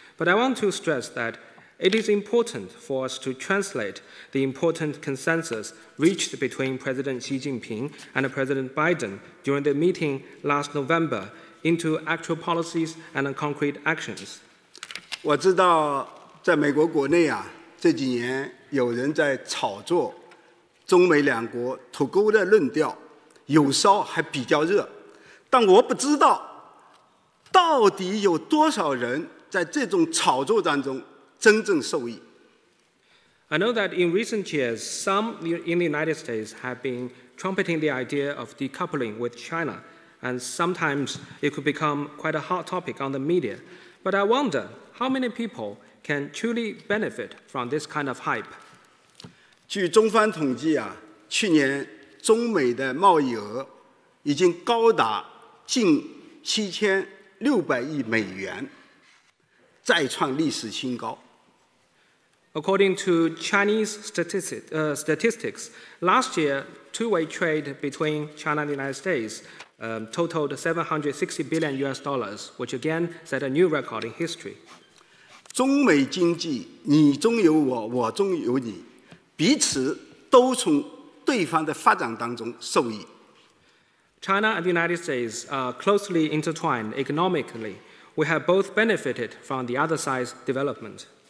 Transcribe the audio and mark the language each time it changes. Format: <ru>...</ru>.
<en>But I want to stress that it is important for us to translate the important consensus reached between President Xi Jinping and President Biden during the meeting last November into actual policies and concrete actions.</en> <zh>我知道在美国国内啊，这几年有人在炒作中美两国脱钩的论调，有烧还比较热，但我不知道到底有多少人在这种炒作当中真正受益。</zh> <en>I know that in recent years, some in the United States have been trumpeting the idea of decoupling with China, and sometimes it could become quite a hot topic on the media. But I wonder how many people can truly benefit from this kind of hype.</en> <zh>据中方统计啊，去年中美的贸易额已经高达近7600亿美元，再创历史新高。</zh> <en>According to Chinese statistics, last year two-way trade between China and the United States totaled $760 billion, which again set a new record in history.</en> <zh>中美经济你中有我，我中有你，彼此都从对方的发展当中受益。</zh> <en>China and the United States are closely intertwined economically. We have both benefited from the other side's development.</en>